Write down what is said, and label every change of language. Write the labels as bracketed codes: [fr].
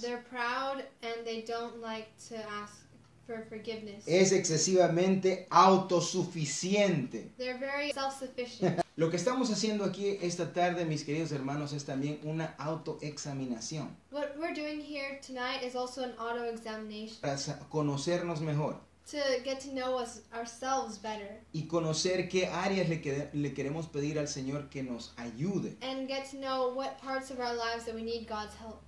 [en] They're proud and they don't like to ask for forgiveness. [es] Es excesivamente autosuficiente. [en] They're very self-sufficient. [es] Lo que estamos haciendo aquí esta tarde, mis queridos hermanos, es también una autoexaminación. [en] What we're doing here tonight is also an auto-examination. [es] Para conocernos mejor. [en] To get to know us ourselves better. [es] Y conocer qué áreas le queremos pedir al Señor que nos ayude. [en] And get to know what parts of our lives that we need God's help.